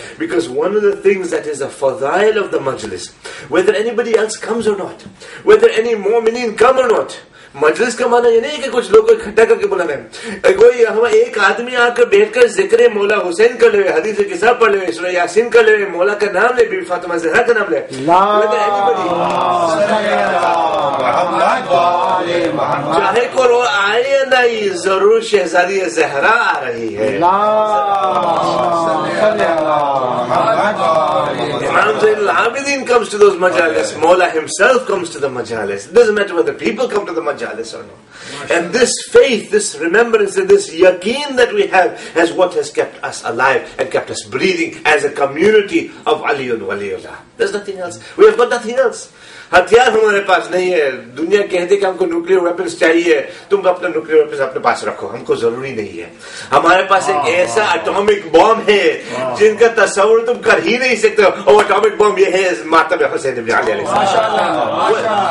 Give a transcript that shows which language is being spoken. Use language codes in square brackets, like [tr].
[en] Because one of the things that is a fadail of the majlis, whether anybody else comes or not, whether any mu'mineen come or not, [ur] مجلس کا معنی یہ نہیں کہ کچھ لوگ اکٹھا کر کے بلانے کوئی ہم ایک آدمی آ کر بیٹھ کر ذکر مولا حسین کر لے حدیث کے ساتھ پڑھ لے سورہ یاسین کر لے مولا کا نام لے بی بی فاطمہ زہرا کا نام لے چاہے کرو آئے یا نہیں ضرور شہزادی زہرا آ رہی ہے امام زین العابدین [en] comes to those majalis, Mawla himself comes to the majalis. It doesn't matter whether people come to the majalis or not. And this faith, this remembrance, and this yaqeen that we have is what has kept us alive and kept us breathing as a community of Aliyun Waliullah. There's nothing else. We have got nothing else. [ur] ہتھیار ہمارے پاس نہیں ہے. دنیا کہتے کہ ہم کو nuclear weapons چاہیے, تم اپنا نیوکلیئر ویپنز اپنے پاس رکھو, ہم کو ضروری نہیں ہے. ہمارے پاس ایک ایسا اٹامک بم ہے جن کا تصور تم کر ہی نہیں سکتے. وہ اٹامک بم یہ ہے ماتم حسین ابن علی علیہ